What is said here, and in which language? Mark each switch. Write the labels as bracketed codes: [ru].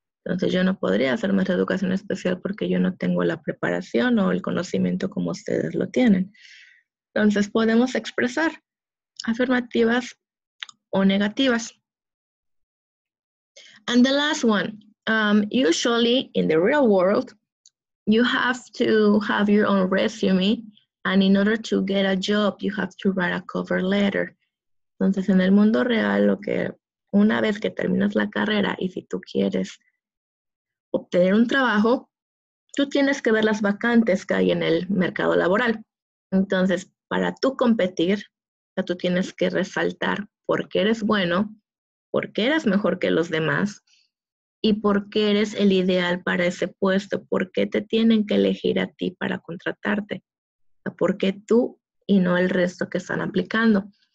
[es] Entonces, yo no podría hacer maestra de educación especial porque yo no tengo la preparación o el conocimiento como ustedes lo tienen. Entonces, podemos expresar afirmativas o negativas. [en] And the last one, usually in the real world, you have to have your own resume, and in order to get a job, you have to write a cover letter. [es] Entonces, en el mundo real, lo que una vez que terminas la carrera y si tú quieres obtener un trabajo, tú tienes que ver las vacantes que hay en el mercado laboral. Entonces, para tú competir, ya tú tienes que resaltar por qué eres bueno, por qué eres mejor que los demás, y por qué eres el ideal para ese puesto, por qué te tienen que elegir a ti para contratarte, por qué tú y no el resto que están aplicando.